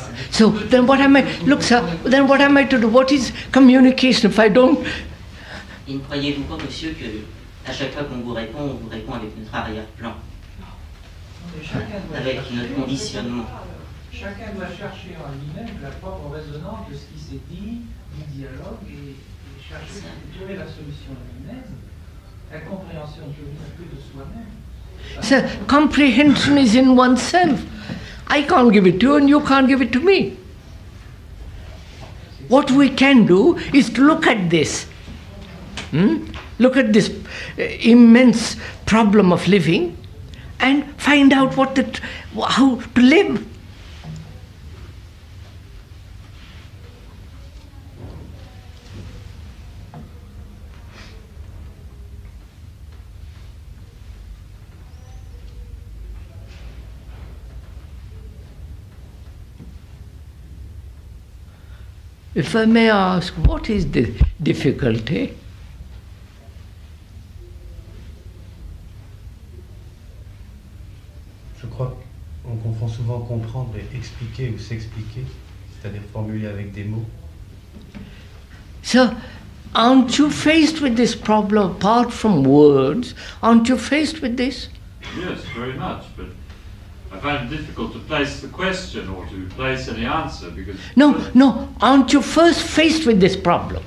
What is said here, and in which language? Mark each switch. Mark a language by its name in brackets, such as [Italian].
[English] So then what am I, look sir, then what am I to do? What is communication if I don't? [French] Et ne croyez-vous pas, monsieur, que à chaque fois qu'on vous répond, on vous répond avec notre arrière-plan? Non. Avec notre conditionnement. Chacun doit chercher en lui-même la propre résonance de ce qui s'est dit, du dialogue, et chercher trouver la solution à lui-même, la compréhension que vous n'avez plus de soi-même. [English] Sir, comprehension is in oneself. I can't give it to you and you can't give it to me. What we can do is to look at this. Look at this immense problem of living and find out how to live. If I may ask, what is the difficulty? [French] Je crois qu'on confond souvent comprendre et expliquer ou s'expliquer, c'est-à-dire formuler avec des mots. [English] So, aren't you faced with this problem apart from words? Aren't you faced with this? Yes, very much, but I find it difficult to place the question or to place any answer because... No, aren't you first faced with this problem?